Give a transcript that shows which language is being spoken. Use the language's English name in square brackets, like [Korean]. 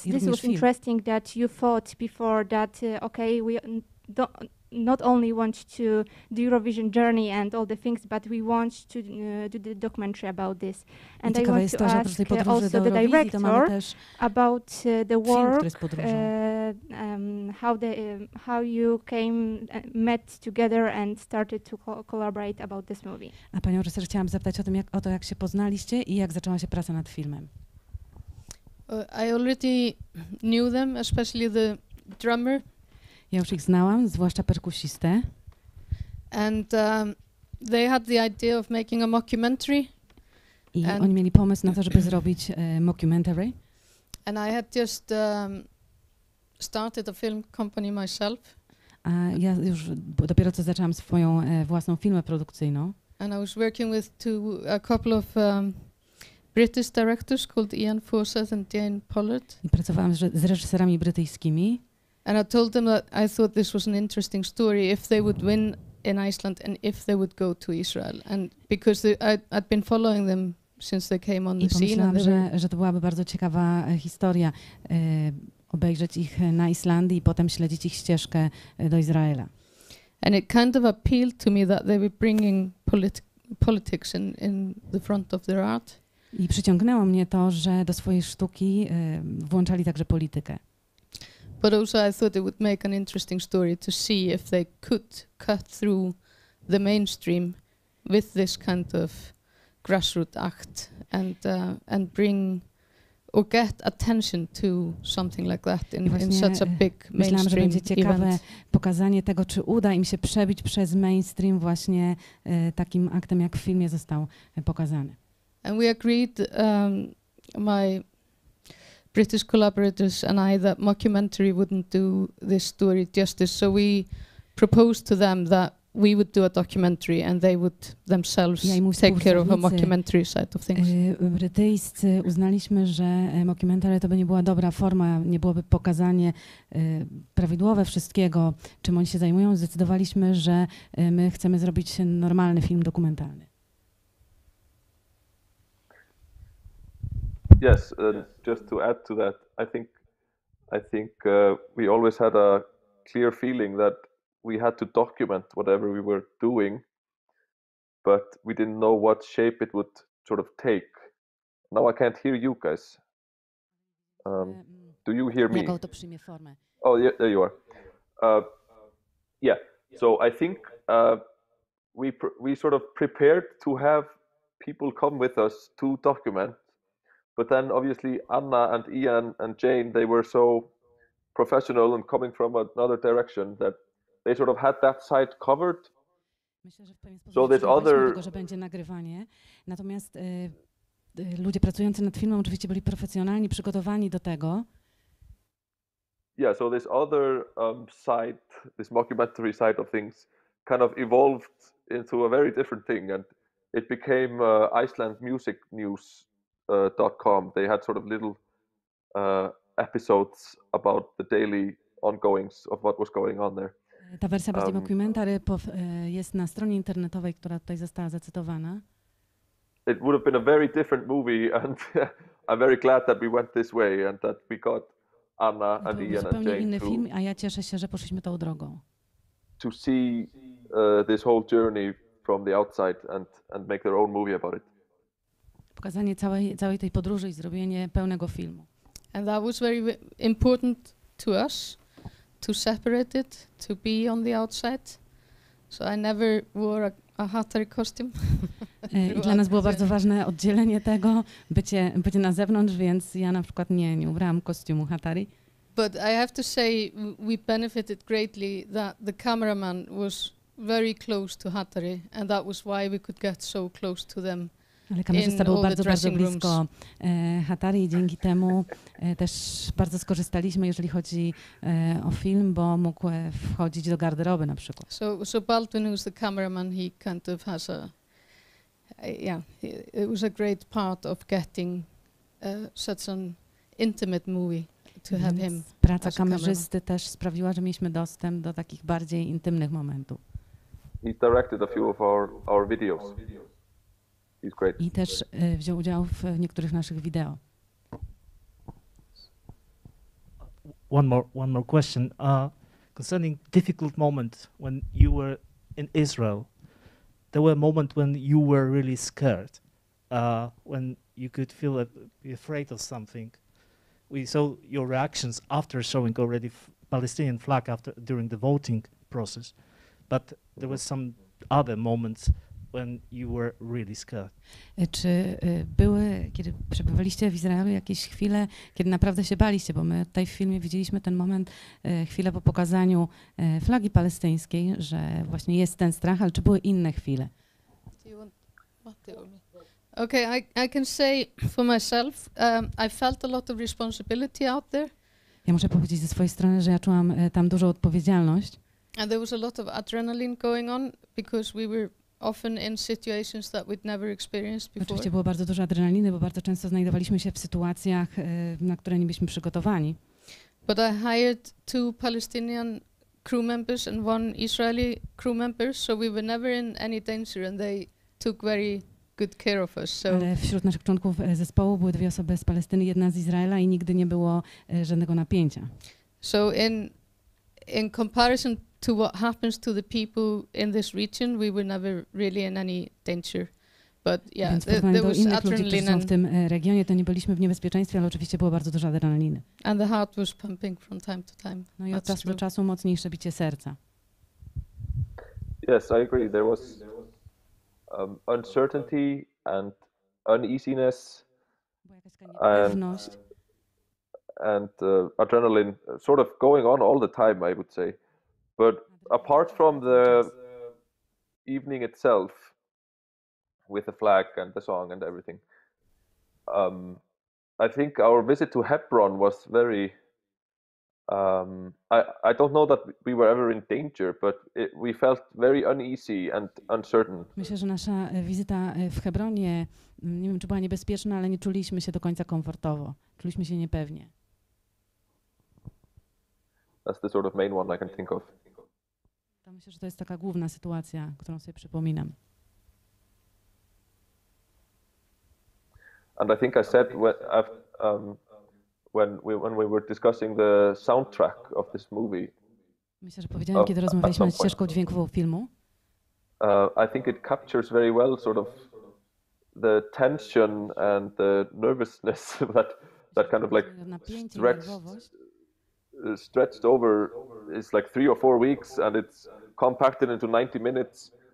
[English] This was interesting that you thought before that okay, we not only want to do Eurovision journey and all the things, but we want to do the documentary about this. And I want to ask also the director about the work, how you came, met together and started to collaborate about this movie. [Polish] A panią reżyser chciałam zapytać o tym, jak, o to, jak się poznaliście i jak zaczęła się praca nad filmem. [English] I already knew them, especially the drummer. [Polish] Ja już ich znałam, zwłaszcza perkusistę. [English] And they had the idea of making a mockumentary. [Polish] I oni mieli pomysł na to, żeby zrobić mockumentary. [English] And I had just started a film company myself. [Polish] A ja już dopiero co zaczęłam swoją własną firmę produkcyjną. [English] And I was working with a couple of British directors called Ian Forsyth and Jane Pollard. [Polish] I pracowałam z reżyserami brytyjskimi. [English] And I told them that I thought this was an interesting story if they would win in Iceland and if they would go to Israel. And because I'd been following them since they came on the scene. [Polish] I pomyślałam, że to byłaby bardzo ciekawa historia. obejrzeć ich na Islandii i potem śledzić ich ścieżkę do Izraela. [English] And it kind of appealed to me that they were bringing politics in the front of their art. [Polish] I przyciągnęło mnie to, że do swojej sztuki włączali także politykę. [English] But also I thought it would make an interesting story to see if they could cut through the mainstream with this kind of grassroots act and bring or get attention to something like that in such a big mainstream event. [Polish] Myślałam, że będzie ciekawe pokazanie tego, czy uda im się przebić przez mainstream właśnie takim aktem, jak w filmie został pokazany. [English] And we agreed, my British collaborators and I, that mockumentary wouldn't do this story justice. So we proposed to them that we would do a documentary and they would themselves take care of a mockumentary side of things. [Polish] Brytyjscy uznaliśmy, że mockumentary to by nie była dobra forma, nie byłoby pokazanie prawidłowe wszystkiego, czym oni się zajmują. Zdecydowaliśmy, że my chcemy zrobić normalny film dokumentalny. [English] Yes, just to add to that, I think we always had a clear feeling that we had to document whatever we were doing, but we didn't know what shape it would sort of take. Now I can't hear you guys. Do you hear me? Oh, yeah, there you are. So I think we sort of prepared to have people come with us to document. But then obviously Anna and Ian and Jane, they were so professional and coming from another direction that they sort of had that side covered. [Polish] Myślę, że w pewien sposób tego, że będzie nagrywanie. Natomiast ludzie pracujący nad filmem oczywiście byli profesjonalni, przygotowani do tego. [English] Yeah, so this other side, this mockumentary side of things kind of evolved into a very different thing and it became Iceland Music News. .com. They had sort of little episodes about the daily ongoings of what was going on there. [Polish] Ta wersja bardziej dokumentary jest na stronie internetowej, która tutaj została zacytowana. [English] It would have been a very different movie and I'm very glad that we went this way and that we got Anna and Ian and Jane. [Polish] To był zupełnie inny film, a ja cieszę się, że poszliśmy tą drogą. [English] To see this whole journey from the outside and make their own movie about it. [Polish] Pokazanie całej tej podróży i zrobienie pełnego filmu. [English] And that was very important to us, to separate it, to be on the outside. So I never wore a Hattery costume. [Polish] I dla nas było bardzo ważne oddzielenie tego, bycie na zewnątrz, więc ja na przykład nie ubrałam kostiumu Hattery. [English] But I have to say, we benefited greatly that the cameraman was very close to Hattery and that was why we could get so close to them. [Polish] Ale kamerzysta był bardzo, bardzo blisko Hattery i dzięki temu też bardzo skorzystaliśmy, jeżeli chodzi o film, bo mógł wchodzić do garderoby na przykład. [English] So Baldwin, who's the cameraman, he kind of has a... it was a great part of getting such an intimate movie to have him. [Polish] Praca kamerzysty też sprawiła, że mieliśmy dostęp do takich bardziej intymnych momentów. [English] He directed a few of our videos. He's great. [Polish] I też wziął udział w niektórych naszych wideo. [English] One more question concerning difficult moment when you were in Israel. There were moments when you were really scared, when you could feel afraid of something. We saw your reactions after showing already Palestinian flag during the voting process, but there were some other moments when you were really scared. [Polish] Czy były, kiedy przebywaliście w Izraelu, jakieś chwile, kiedy naprawdę się baliście? Bo my tutaj w filmie widzieliśmy ten moment, chwilę po pokazaniu flagi palestyńskiej, że właśnie jest ten strach, ale czy były inne chwile? [English] Okay, I can say for myself, I felt a lot of responsibility out there. [Polish] Ja muszę powiedzieć ze swojej strony, że ja czułam tam dużą odpowiedzialność. [English] And there was a lot of adrenaline going on, because we were often in situations that we'd never experienced before. [Polish] Oczywiście było bardzo dużo adrenaliny, bo bardzo często znajdowaliśmy się w sytuacjach, na które nie byliśmy przygotowani. [English] But I hired two Palestinian crew members and one Israeli crew member, so we were never in any danger and they took very good care of us. So [Polish] ale wśród naszych członków zespołu były dwie osoby z Palestyny, jedna z Izraela I nigdy nie było żadnego napięcia. [English] So in comparison to what happens to the people in this region, we were never really in any danger. But yeah, there was adrenaline. [Polish] Ludzi, w tym regionie to nie byliśmy w niebezpieczeństwie, ale oczywiście było bardzo dużo adrenaliny. [English] And the heart was pumping from time to time. [Polish] No I od czasu do czasu mocniejsze bicie serca. [English] Yes, I agree. There was uncertainty and uneasiness and adrenaline sort of going on all the time, I would say. But apart from the evening itself, with the flag and the song and everything, I think our visit to Hebron was very. I don't know that we were ever in danger, but we felt very uneasy and uncertain. [Polish] Myślę, że nasza wizyta w Hebronie, nie wiem, czy była niebezpieczna, ale nie czuliśmy się do końca komfortowo. Czuliśmy się niepewnie. [English] That's the sort of main one I can think of. [Polish] To myślę, że to jest taka główna sytuacja, którą sobie przypominam. [English] And I think I said when we were discussing the soundtrack of this movie. [Polish] Myślę, że powiedziałem, kiedy rozmawialiśmy nad ścieżką dźwiękową filmu. [English] I think it captures very well sort of the tension and the nervousness that kind of like stretched over is like 3 or 4 weeks and it's compacted into 90 minutes.